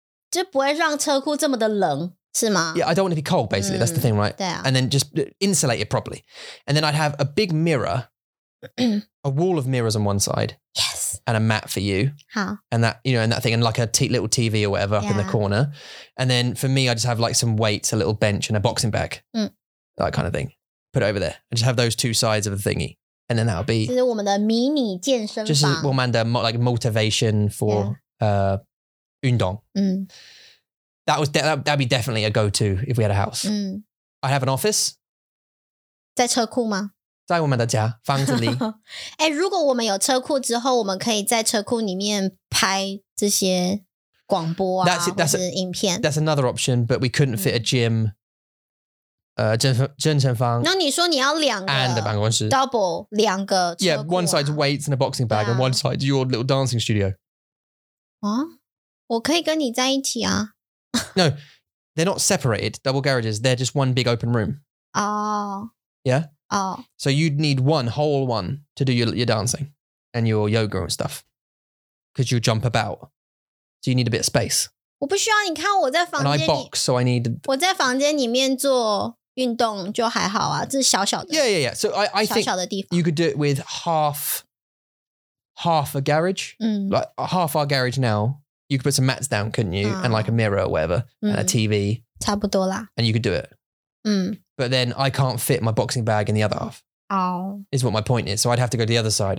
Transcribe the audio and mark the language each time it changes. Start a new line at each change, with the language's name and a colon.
Chinese: 就不会让车库这么的冷,是吗?
English: Yeah, I don't want to be cold, basically. That's the thing, right? And then just insulate it properly. And then I'd have a big mirror, a wall of mirrors on one side. Yes. And a mat for you. Huh. And that, you know, and that thing, and like a little TV or whatever up in the corner. And then for me, I just have like some weights, a little bench and a boxing bag. That kind of thing. Put it over there. I just have those two sides of the thingy. And then that'll be...
Chinese: 这是我们的迷你健身房。就是我们的
English: like motivation for
Chinese: 运动.
English: That'd be definitely a go-to if we had a house. I have an office.
Chinese: 在车库吗? 在我们的家,房子里. 如果我们有车库之后,我们可以在车库里面拍这些广播啊,或者是影片。
English: That's another option, but we couldn't fit a gym...
Chinese: 健身房. 那你说你要两个,
English: and the
Chinese: 办公室,
English: double,
Chinese: 两个,
English: yeah, one side's weights and a boxing bag, and one side's your little dancing studio.
Chinese: 啊?我可以跟你在一起啊。
English: No, they're not separated, double garages, they're just one big open room. Oh. So you'd need one, whole one, to do your dancing and your yoga and stuff. Because you jump about. So you need a bit of space.
Chinese: 我不需要,你看我在房间里...
English: And I box, so I need...
Chinese: 我在房间里面做运动就还好啊, 这是小小的,
English: yeah, yeah, yeah. So I think you could do it with half a garage. Like half our garage now. You could put some mats down, couldn't you? And like a mirror or whatever. And a TV.
Chinese: 差不多啦.
English: And you could do it. But then I can't fit my boxing bag in the other half. Is what my point is. So I'd have to go to the other side.